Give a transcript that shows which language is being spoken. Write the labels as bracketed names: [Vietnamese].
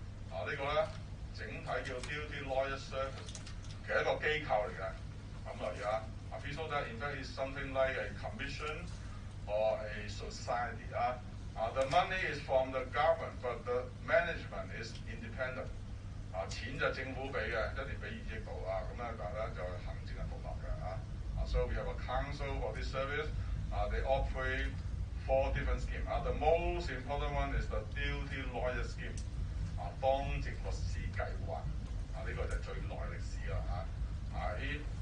[Cantonese] 這個呢整體叫 duty lawyer service, 其實是一個機構來的。咁留意啊。 [English] We saw that in fact it's something like a commission or a society. The money is from the government, but the management is independent. [Cantonese] 錢就政府給的，一年給2億左右，那就是行政的獨立的。 [English] So we have a council for this service. They operate four different schemes. The most important one is the duty lawyer scheme. [Cantonese] 當前律師計劃，這個就是最耐歷史的。